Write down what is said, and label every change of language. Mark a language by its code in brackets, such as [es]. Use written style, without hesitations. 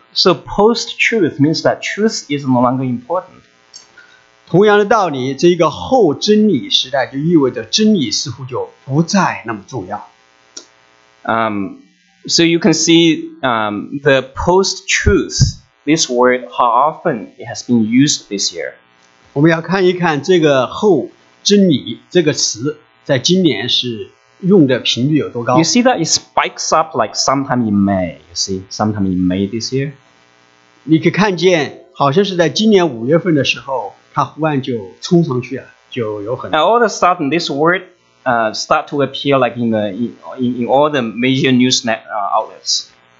[en] So post-truth means that truth is no longer important. [zh] 同样的道理,这个后真理时代就意味着真理似乎就不再那么重要。 [en] So you can see the post-truth this word, how often it has been used this year. [zh] 我们要看一看这个后真理这个词在今年是用的频率有多高。 [en] You see that it spikes up like sometime in May, you see, sometime in May this year. [zh] 你可以看见好像是在今年五月份的时候, 它忽然就冲上去了,就有很多。 [en] Now all of a sudden, this word start to appear like in all the major news net outlets.